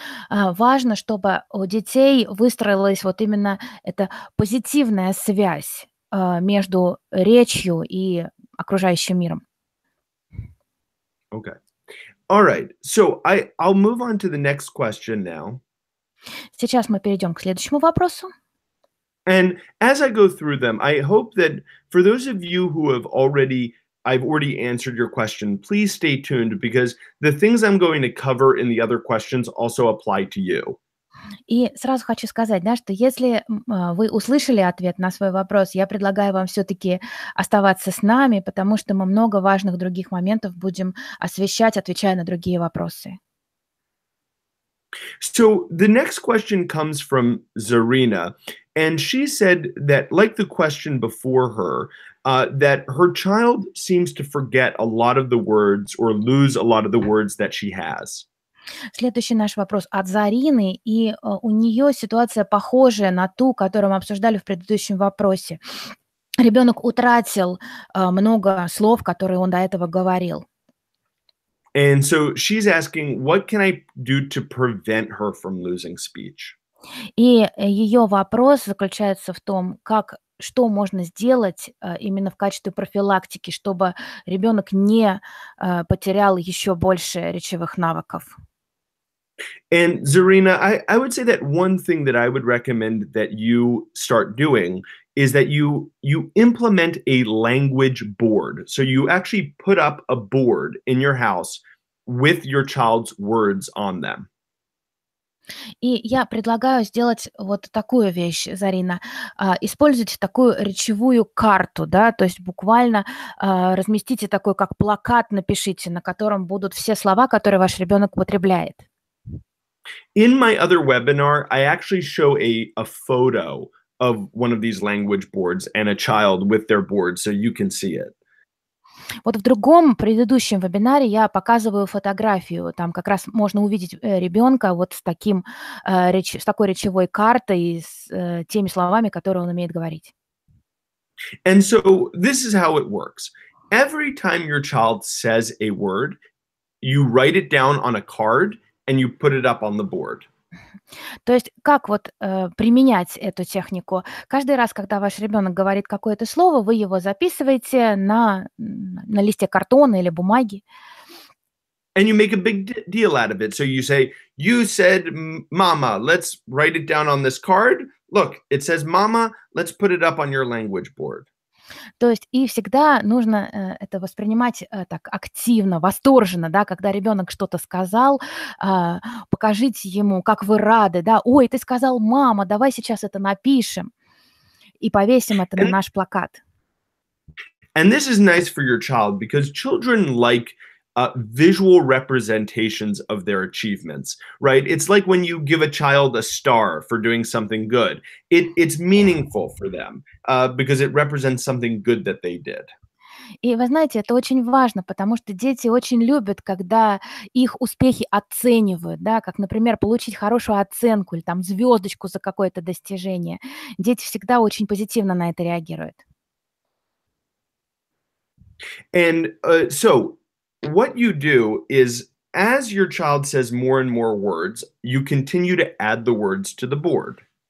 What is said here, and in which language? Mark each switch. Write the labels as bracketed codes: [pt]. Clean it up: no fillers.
[ru] Важно, чтобы у детей выстроилась вот именно эта позитивная связь между речью и окружающим миром. [en] Okay. All right. So I'll move on to the next question now. [ru] Сейчас мы перейдем к следующему вопросу. [en] And as I go through them, I hope that for those of you who have already I've already answered your question. Please stay tuned, because the things I'm going to cover in the other questions also apply to you. [ru] И сразу хочу сказать, да, что если вы услышали ответ на свой вопрос, я предлагаю вам все-таки оставаться с нами, потому что мы много важных других моментов будем освещать, отвечая на другие вопросы. [en] So the next question comes from Zarina, and she said that, like the question before her, that her child seems to forget a lot of the words or lose a lot of the words that she has. [ru] Следующий наш вопрос от Зарины, и у нее ситуация похожая на ту, которую мы обсуждали в предыдущем вопросе. Ребенок утратил много слов, которые он до этого говорил. [en] And so she's asking, what can I do to prevent her from losing speech? [ru] И ее вопрос заключается в том, как, что можно сделать именно в качестве профилактики, чтобы ребенок не потерял еще больше речевых навыков. [en] And Zarina, I would say that one thing that I would recommend that you start doing is that you implement a language board. So you actually put up a board in your house with your child's words on them. [ru] И я предлагаю сделать вот такую вещь, Зарина, использовать такую речевую карту, да, то есть буквально разместите такой, как плакат напишите, на котором будут все слова, которые ваш ребенок употребляет. [en] In my other webinar, I actually show a photo of one of these language boards and a child with their board, so you can see it. [ru] Вот в другом предыдущем вебинаре я показываю фотографию. Там как раз можно увидеть ребенка вот с таким с такой речевой картой и с теми словами, которые он умеет говорить. [en] And so this is how it works. Every time your child says a word, you write it down on a card and you put it up on the board. [ru] То есть как вот применять эту технику? Каждый раз, когда ваш ребенок говорит какое-то слово, вы его записываете на листе картона или бумаги. [en] And you make a big deal out of it. So you say, you said mama, let's write it down on this card. Look, it says mama, let's put it up on your language board. [ru] То есть и всегда нужно это воспринимать так активно, восторженно, да, когда ребенок что-то сказал, покажите ему, как вы рады, да, ой, ты сказал мама, давай сейчас это напишем и повесим это на наш плакат. [en] And this is nice for your child because children like visual representations of their achievements, right? It's like when you give a child a star for doing something good. It's meaningful for them because it represents something good that they did. [ru] И вы знаете, это очень важно, потому что дети очень любят, когда их успехи оценивают, да, как, например, получить хорошую оценку или там звездочку за какое-то достижение. Дети всегда очень позитивно на это реагируют. [en] And so what you do is, as your child says more and more words, you continue to add the words to the board.